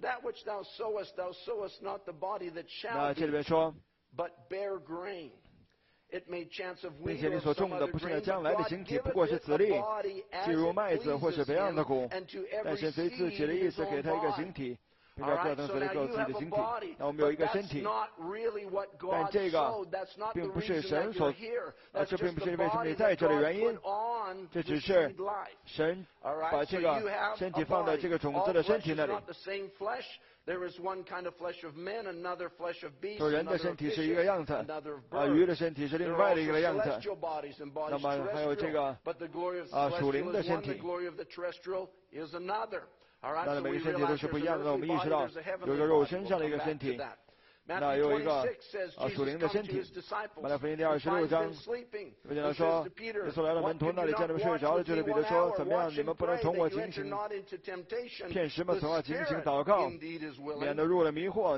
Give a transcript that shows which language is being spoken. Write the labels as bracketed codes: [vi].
[en] That which thou sowest not the body that shall be, but bare grain. It may chance of wheat or some other grain. [zh] 并且你所种的不是将来的形体，不过是籽粒，既如麦子或是别样的谷。但是随自己的意思给他一个形体。 [en] All right, so now you have a body, but that's not really what God sowed. That's not the reason that you're here. That's just the body that God put on to feed life. All right, so you have a body. All flesh is not the same flesh. There is one kind of flesh of men, another flesh of beasts, another of fish, another of birds. There are also celestial bodies and bodies terrestrial. But the glory of the celestial is one, the glory of the terrestrial is another. [zh] 那每个身体都是不一样的，我们意识到有一个肉身上的一个身体，那有一个属灵的身体。马太福音第二十六章，耶稣说，耶稣来到门徒那里，见他们睡着了，就对彼得说：“怎么样，你们不能同我警醒？骗什么？总要警醒祷告，免得入了迷惑。